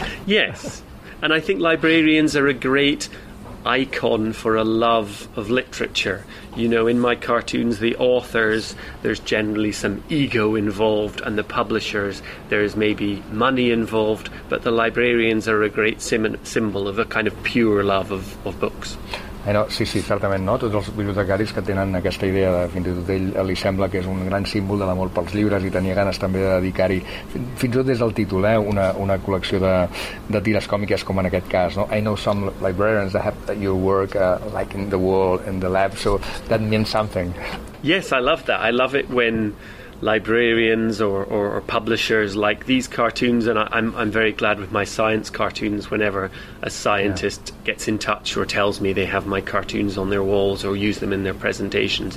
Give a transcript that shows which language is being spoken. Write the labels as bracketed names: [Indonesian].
[English] Yes, and I think librarians are a great icon for a love of literature. You know, in my cartoons, the authors, there's generally some ego involved, and the publishers, there's maybe money involved, but the librarians are a great symbol of a kind of pure love of books. [Catalan] No, sí, certament, no? Tots els bibliotecaris que tenen aquesta idea, de, fins i tot ell li sembla que és un gran símbol de l'amor pels llibres i tenia ganes també de dedicar-hi, fins i tot des del títol, una col·lecció de tires còmiques com en aquest cas. [English] No? I know some librarians that have your work like in the wall, in the lab, so that means something. Yes, I love that. I love it when librarians or publishers like these cartoons, and I'm very glad with my science cartoons whenever a scientist gets in touch or tells me they have my cartoons on their walls or use them in their presentations.